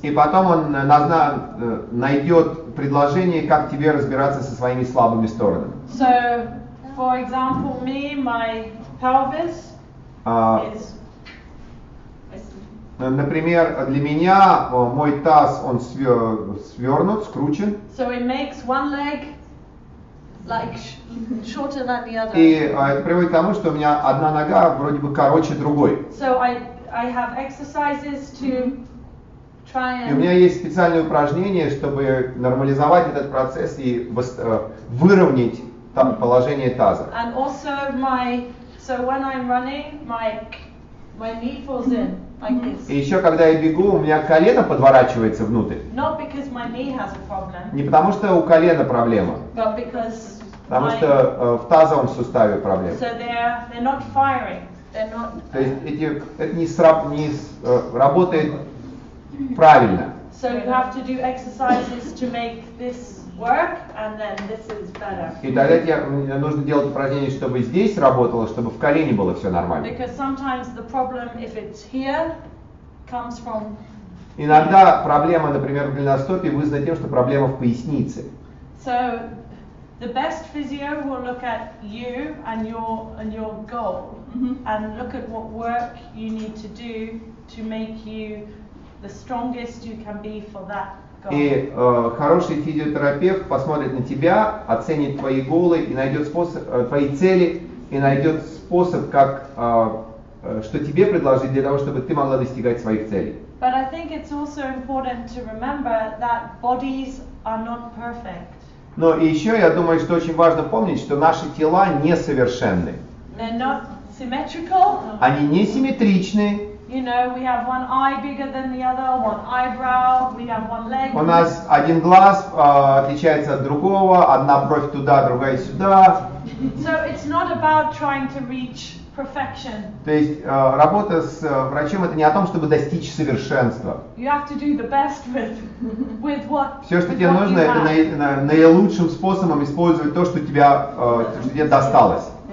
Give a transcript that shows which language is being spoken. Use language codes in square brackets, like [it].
[ru] И потом он найдет предложение, как тебе разбираться со своими слабыми сторонами. [en] So, for example, me, my pelvis is. [ru] Например, для меня мой таз он свернут, скручен. [en] So it makes one leg like shorter than the other. [ru] И это приводит к тому, что у меня одна нога вроде бы короче другой. [en] So I have exercises to try and. [ru] И у меня есть специальные упражнения, чтобы нормализовать этот процесс и выровнять. Там положение таза. [en] And also my, so when I'm running, my knee falls in like this. [ru] И еще когда я бегу, у меня колено подворачивается внутрь. [en] Not because my knee has a problem. [ru] Не потому что у колена проблема. [en] But because. [ru] Потому что в тазовом суставе проблема. [en] So they're not firing. They're not. [ru] То есть это не работает правильно. [en] So you have to do exercises to make this. Work, and then this is better. [ru] И тогда мне нужно делать упражнение, чтобы здесь работало, чтобы в колене было все нормально. [en] Because sometimes the problem, if it's here, comes from. [ru] Иногда проблема, например, в голеностопе, вызвана тем, что проблема в пояснице. [en] So the best physio will look at you and your goal, mm-hmm. and look at what work you need to do to make you the strongest you can be for that [ru] И хороший физиотерапевт посмотрит на тебя, оценит твои голы и найдет способ, твои цели, и найдет способ, как, что тебе предложить для того, чтобы ты могла достигать своих целей. [en] But I think it's also important to remember that bodies are not perfect. [ru] Но и еще я думаю, что очень важно помнить, что наши тела несовершенны. [en] They're not symmetrical. [ru] Они несимметричны. [en] You know, we have one eye bigger than the other, one eyebrow, we have one leg. [ru] У нас один глаз отличается от другого, одна бровь туда, другая сюда. [en] So it's not about trying to reach perfection. [ru] То есть работа с врачом это не о том, чтобы достичь совершенства. [en] You have to do the best with what. [ru] Все, что тебе нужно, это наилучшим способом использовать то, что тебя что тебе досталось.